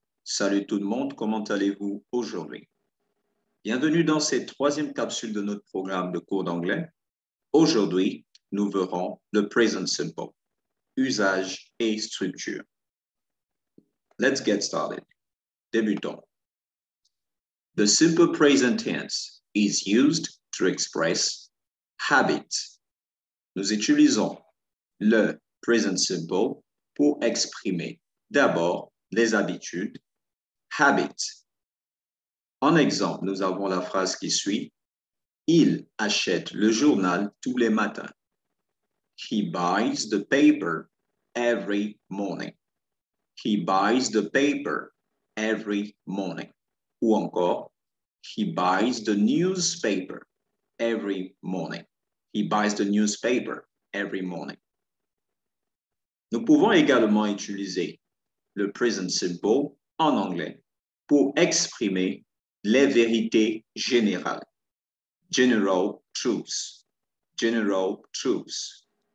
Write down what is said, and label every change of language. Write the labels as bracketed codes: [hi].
[fr] Salut tout le monde, comment allez-vous aujourd'hui? Bienvenue dans cette troisième capsule de notre programme de cours d'anglais. Aujourd'hui, nous verrons le present simple, usage et structure. [en] Let's get started. [fr] Débutons. [en] The simple present tense is used to express habit. [fr] Nous utilisons le present simple pour exprimer d'abord les habitudes, habits. En exemple, nous avons la phrase qui suit. Il achète le journal tous les matins. [en] He buys the paper every morning. He buys the paper every morning. [fr] Ou encore, [en] he buys the newspaper every morning. He buys the newspaper every morning. [fr] Nous pouvons également utiliser le present simple en anglais pour exprimer les vérités générales. [en] General truths. General truths.